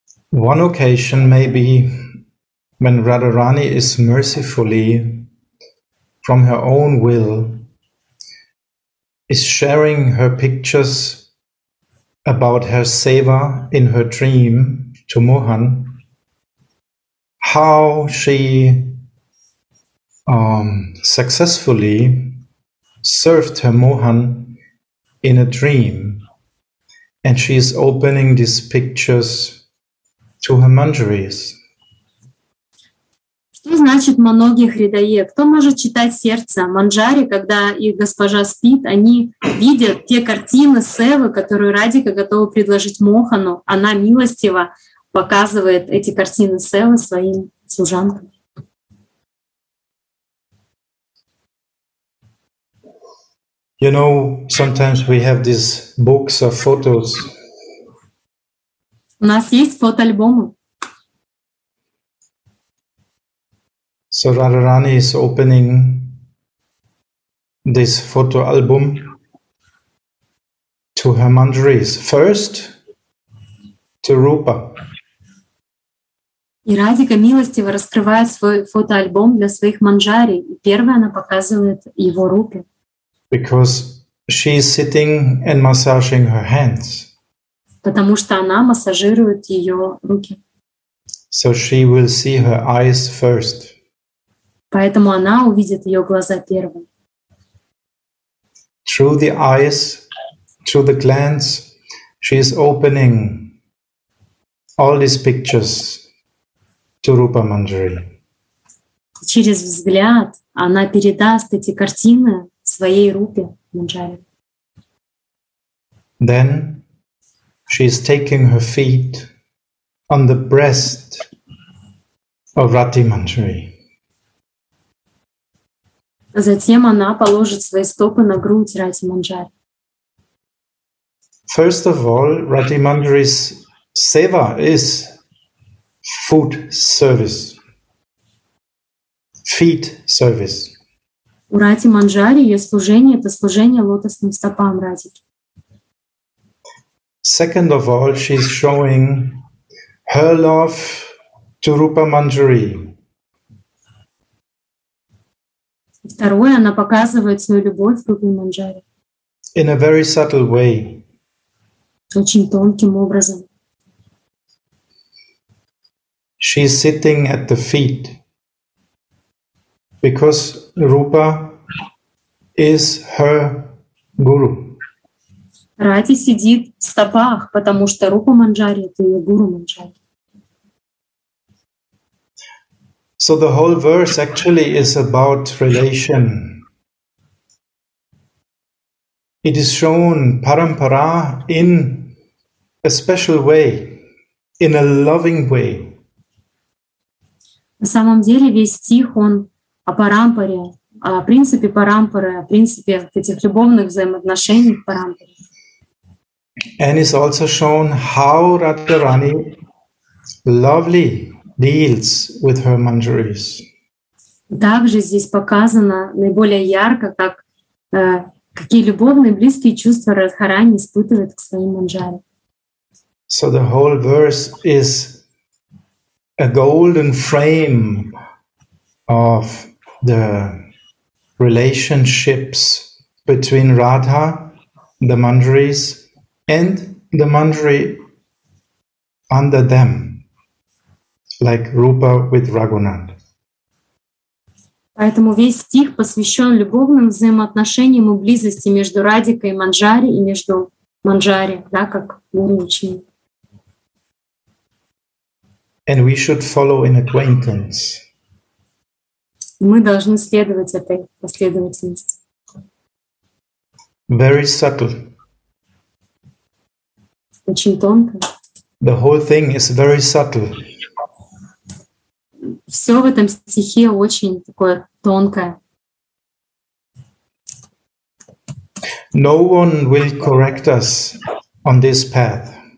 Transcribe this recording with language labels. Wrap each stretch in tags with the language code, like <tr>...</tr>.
<en>One occasion may be when Radharani is mercifully, from her own will, is sharing her pictures about her seva in her dream to Mohan, how she successfully served her Mohan in a dream, and she is opening these pictures to her Manjaris.</en> <ru>Что значит многих рядае? Кто может читать сердце Манджари, когда их госпожа спит? Они видят те картины Севы, которые Радика готова предложить Мохану. Она милостиво показывает эти картины Севы своим служанкам.</ru> <en>You know, sometimes we have these books of photos.</en> <ru>У нас есть фотоальбомы.</ru> <en>So Radharani is opening this photo album to her Manjaris. First, to Rupa.</en> <ru>И Радика милостиво раскрывает свой фотоальбом для своих Манджари. Первое она показывает его Рупе.</ru> <en>Because she is sitting and massaging her hands.</en> <ru>Потому что она массажирует ее руки.</ru> <en>So she will see her eyes first.</en> <ru>Поэтому она увидит ее глаза первым.</ru> <en>Through the eyes, through the glance, she is opening all these pictures to Rupa Manjari.</en> <ru>Через взгляд она передаст эти картины своей Рупе Манджари.</ru> <en>Then she is taking her feet on the breast of Rati Manjari.</en> <ru>Затем она положит свои стопы на грудь Рати Манджари.</ru> <en>First of all, Rati Manjari's seva is foot service, feet service.</en> <ru>У Рати Манджари ее служение — это служение лотосным стопам Рати.</ru> <en>Second of all, she is showing her love to Rupa Manjari.</en> <ru>Второе, она показывает свою любовь к Рупе Манджари.</ru> <en>In a very subtle way.</en> <ru>Очень тонким образом.</ru> <en>She is sitting at the feet because Rupa is her guru.</en> <ru>Рати сидит в стопах, потому что Рупа Манджари — это ее гуру Манджари.</ru> <en>So the whole verse actually is about relation. It is shown parampara in a special way, in a loving way.</en> <ru>На самом деле весь стих он о парампаре, о принципе парампары, о принципе этих любовных взаимоотношений парампары.</ru> <en>And it's also shown how Radharani lovely deals with her Manjaris.</en> <ru>Также здесь показано наиболее ярко, как какие любовные близкие чувства Радхарани испытывает к своим Манджари.</ru> <en>So the whole verse is a golden frame of the relationships between Radha, the Manjaris, and the Manjari under them. Like Rupa with Raghunand.</en> <ru>Поэтому весь стих посвящен любовным взаимоотношениям и близости между Радикой и Манджари, и между Манджари, да, как гуру-ученик.</ru> <en>And we should follow an acquaintance.</en> <ru>Мы должны следовать этой последовательности.</ru> <en>Very subtle.</en> <ru>Очень тонко.</ru> <en>The whole thing is very subtle.</en> <ru>Все в этом стихе очень такое тонкое.</ru> <en>No one will correct us on this path.</en>